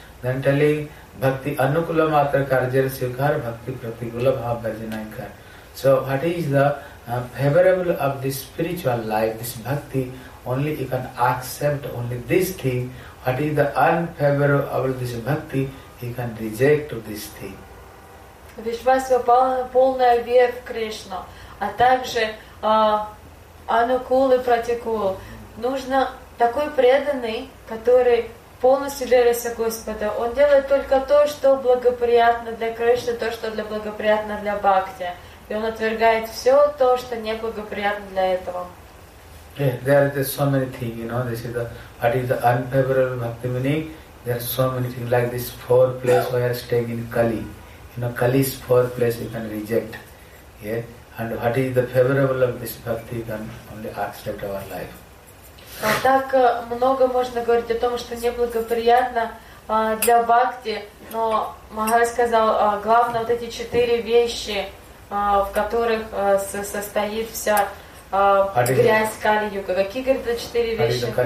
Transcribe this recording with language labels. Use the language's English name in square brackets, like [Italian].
[English] Then telling [Sanskrit] Bhakti Anukula Matra Karjara Sivkara Bhakti Pratikula Bhavajanaikara. [English] So what is the favorable of this spiritual life, this bhakti? Only you can accept only this thing. What is the unfavorable of this bhakti, he can reject to this thing. [Russian] Вишвасва полная вера в Кришну, а также анукул и пратикул. Нужно такой преданный, который полностью верится Господу. Он делает только то, что благоприятно для Кришны, то, что благоприятно для бхакти. И он отвергает все то, что неблагоприятно для этого. [English] Yeah, there are so many things, you know, this is the, what is the unfavorable bhakti meaning? There are so many things, like this four place where you are staying in Kali. You know, Kali is four place you can reject. Yeah? And what is the favorable of this bhakti, you can only accept our life. [Russian] Так много можно говорить о том, что неблагоприятно для бхакти, но Махарадж сказал, главное вот эти четыре вещи, в которых состоит вся грязь Кали-юга. Какие, говорит, это четыре вещи?